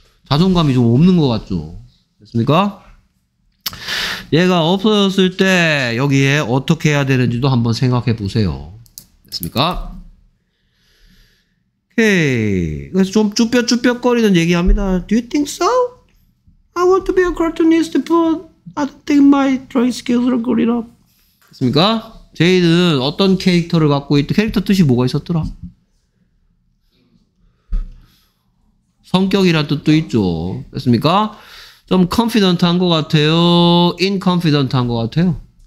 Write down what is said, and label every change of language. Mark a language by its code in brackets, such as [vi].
[ko] 자존감이 좀 없는 것 같죠. 됐습니까? 얘가 없어졌을 때 여기에 어떻게 해야 되는지도 한번 생각해 보세요. 됐습니까? 오케이. 그래서 좀 쭈뼛쭈뼛거리는 얘기합니다. [en] Do you think so? I want to be a cartoonist, but I don't think my drawing skills are good enough. [ko] 됐습니까? 제이드는 어떤 캐릭터를 갖고 있던 캐릭터 뜻이 뭐가 있었더라? 성격이란 뜻도 있죠. 됐습니까? 좀 confident 한 것 같아요? inconfident 한 것 같아요?